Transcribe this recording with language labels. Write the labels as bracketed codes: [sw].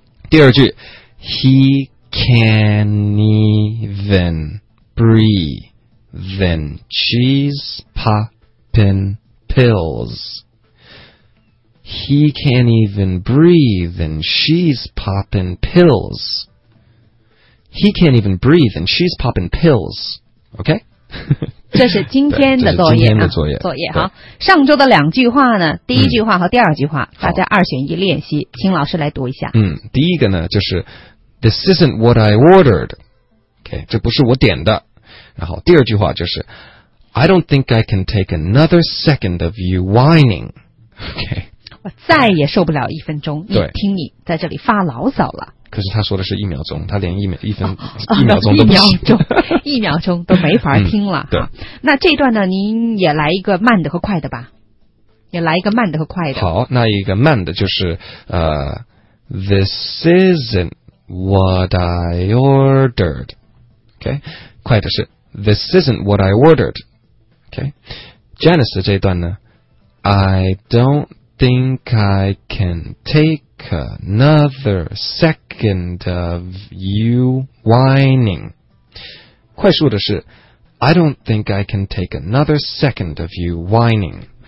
[zh] 第二句 [en] ，He can't even breathe, and she's popping pills. He can't even breathe, and she's popping pills. He can't even breathe, and she's popping pills. OK， [zh] 这是今天的作业，今天的作业，啊，作业哈。上周的两句话呢，第一句话和第二句话，嗯，大家二选一练习，请老师来读一下。嗯，第一个呢就是 [en] This isn't what I ordered. [zh] OK， 这不是我点的。 [en] 然后第二句话就是 I don't think I can take another second of you whining. OK， [zh] 我再也受不了一分钟，你听你在这里发牢骚了。可是他说的是一秒钟，他连一秒钟都不行，一秒钟都没法听了。嗯，对，那这段呢，您也来一个慢的和快的吧，也来一个慢的和快的。好，那一个慢的就是 [en] This isn't what I ordered. OK， [zh] 快的是 [en] This isn't what I ordered. OK， Janice [zh] 的这一段呢 [en] I don't think I can take another second of you whining [zh] 快速的是 [en] I don't think I can take another second of you whining